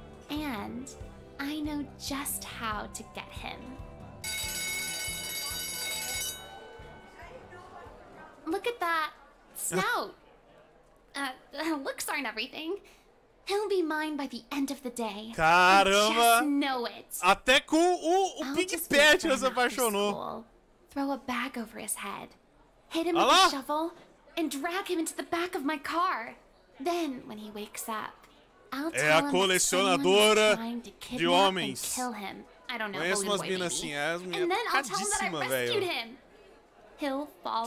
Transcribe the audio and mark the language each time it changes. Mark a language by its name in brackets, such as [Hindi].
[English] And I know just how to get him. Look at that snout. Looks aren't everything. He'll be mine by the end of the day. [Portuguese] Caramba! [English] I just know it. [Portuguese] Até com o Big Pet já se apaixonou. [English] Throw a bag over his head. Hit him with a shovel and drag him into the back of my car. Then, when he wakes up, I'll tell him that [Portuguese] colecionadora de homens. [English] And kill him. I don't know, [Portuguese] conheço umas minas assim, as minhas. [English] And then I'll tell him that I rescued [Portuguese] véio. [English] Him. He'll fall